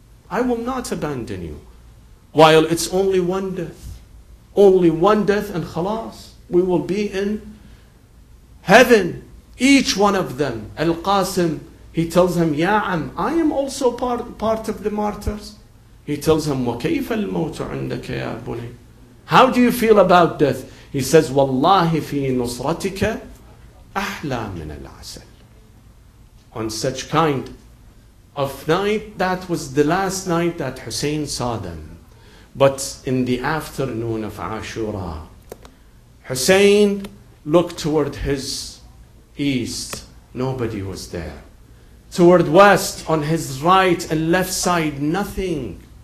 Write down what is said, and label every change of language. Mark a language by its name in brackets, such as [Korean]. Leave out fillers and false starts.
[English] I will not abandon you. While it's only one death. Only one death and khalas. We will be in heaven." Each one of them, Al-Qasim, he tells him, "Ya Am, I am also part of the martyrs." He tells him, [Arabic] "وَكَيْفَ الْمَوْتُ عِنْدَكَ يَا بُنَي?" [English] "How do you feel about death?" He says, [Arabic] "وَاللَّهِ فِي نُصْرَتِكَ أَحْلَى مِنَ الْعَسَلِ." [English] On such kind of night, that was the last night that Hussein saw them. But in the afternoon of Ashura, Hussein looked toward his east. Nobody was there. Toward west, on his right and left side, nothing.